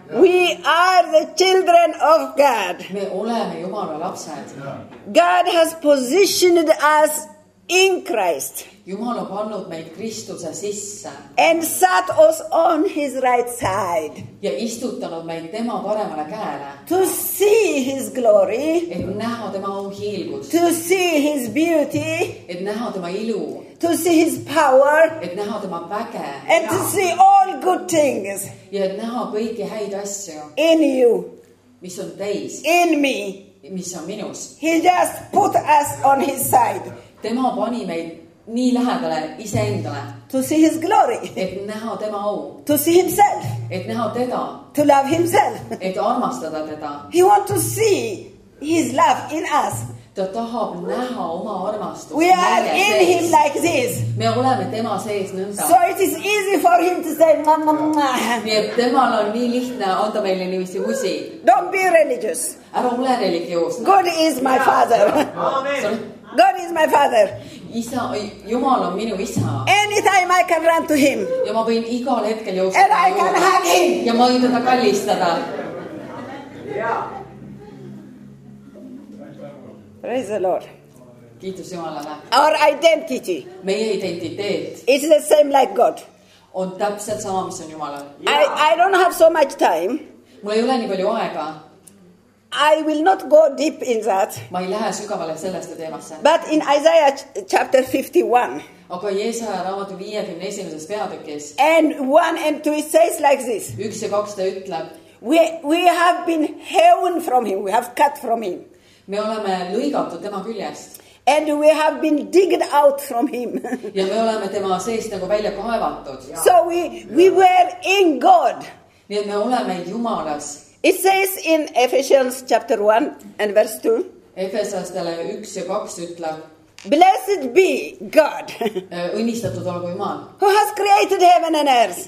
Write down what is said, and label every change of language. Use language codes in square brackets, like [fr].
[en] We are the children of God. [et] Me oleme Jumala lapsed. [en] God has positioned us in Christ. [et] Jumal on pannud meid Kristuse sisse. [en] And sat us on his right side. [et] Ja istutanud meid tema paremale käele. [en] To see his glory. [et] Et näha tema auhiilgust. [en] To see his beauty. [et] Et näha tema ilu. [en] To see his power. [et] Et näha tema väge. [en] And to see all good things. [et] Ja et näha kõiki häid asju. [en] In you. [et] Mis on teis. [en] In me. [et] Mis on minus. [en] He just put us on his side. [et] Tema pani meid nii lähedale ise endale. [en] To see his glory. [et] Et näha tema au. [en] To see himself. [et] Et näha teda. [en] To love himself. [et] Et armastada teda. [en] He want to see his love in us. [et] Ta tahab näha oma armastust. [en] We are in him like this. [et] Me oleme tema sees nõnda. [en] So it is easy for him to say mamma. [et] Nii et temal on nii lihtne anda meile niimoodi usi. [en] Don't be religious. [et] Ära ole religioos. [en] God is my father. Amen. God is my father. [et] Isa, Jumal on minu isa. [en] Anytime I can run to him. [et] Ja ma võin igal hetkel jõustada. [en] And I can hug him. [et] Ja ma võin teda kallistada. [en] Praise the Lord. [et] Kiitus Jumalale. [en] Our identity. [et] Meie identiteet. [en] It's the same like God. [et] On täpselt sama, mis on Jumalal. [en] I don't have so much time. [et] Mul ei ole nii palju aega. [en] I will not go deep in that. [et] Ma ei lähe sügavale sellest teemasse. [en] But in Isaiah chapter 51. [et] Aga Jeesaja raamatu 51. Peatükis. [en] And 1 and 2 says like this. [et] 1 ja 2 ta ütleb. [en] We have been hewn from him. We have cut from him. [et] Me oleme lõigatud tema küljest. [en] And we have been digged out from him. [et] Ja me oleme tema seest nagu välja kaevatud. [en] So we were in God. [et] Nii me oleme Jumalas. [en] It says in Ephesians chapter 1 and verse 2. [et] Efesastele 1 ja 2 ütleb. [en] Blessed be God. [et] Õnnistatud olgu Jumal. [en] Who has created heaven and earth.